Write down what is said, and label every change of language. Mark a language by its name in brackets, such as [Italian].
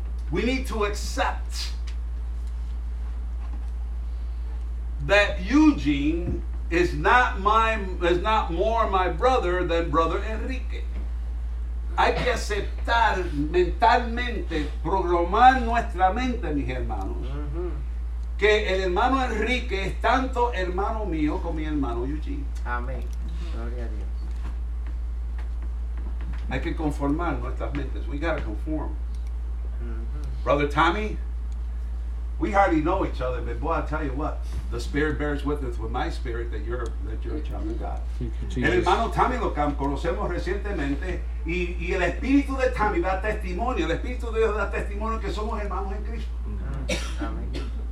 [English] We need to accept that Eugene is not more my brother than brother Enrique. [Spanish] Hay que aceptar mentalmente, programar nuestra mente, mis hermanos, que el hermano Enrique es tanto hermano mío como mi hermano Eugene. Amén. Gloria a Dios. Hay que conformar nuestras mentes. [English] We gotta conform. Brother Tommy, we hardly know each other, but boy, I'll tell you what, the Spirit bears witness with my spirit that you're a child of God. [Spanish] El hermano Tommy lo conocemos recientemente, y el Espíritu de Tommy da testimonio, el Espíritu de Dios da testimonio que somos hermanos en Cristo.